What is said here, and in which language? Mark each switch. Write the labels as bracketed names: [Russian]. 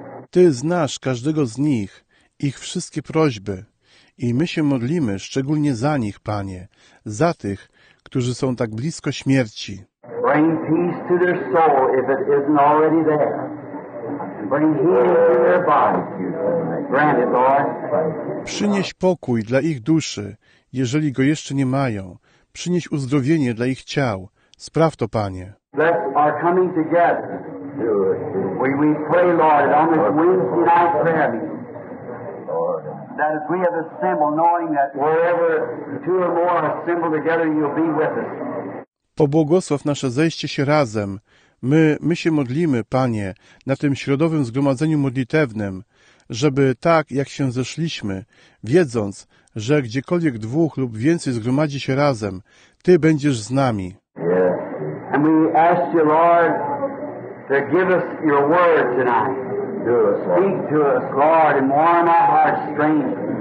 [Polish] Ty znasz każdego z nich, ich wszystkie prośby i my się modlimy szczególnie za nich, Panie, za tych, którzy są tak blisko śmierci. [English] Bring peace to their soul if it isn't already there. Bring healing to their body. Grant it, Lord. [Polish] Przynieś pokój dla ich duszy, jeżeli go jeszcze nie mają. Przynieś uzdrowienie dla ich ciał. Spraw to, Panie. [English] Bless our coming together. We pray, Lord, on this Wednesday night prayer meeting. That as we have assembled, knowing that wherever two or more are assembled together, you'll be with us. [Polish] Pobłogosław nasze zejście się razem. My się modlimy, Panie, na tym środowym zgromadzeniu modlitewnym, żeby tak, jak się zeszliśmy, wiedząc, że gdziekolwiek dwóch lub więcej zgromadzi się razem, Ty będziesz z nami. [English] Yes. And we ask you, Lord, to give us your word tonight. Speak to us, Lord, and warm our hearts strangely.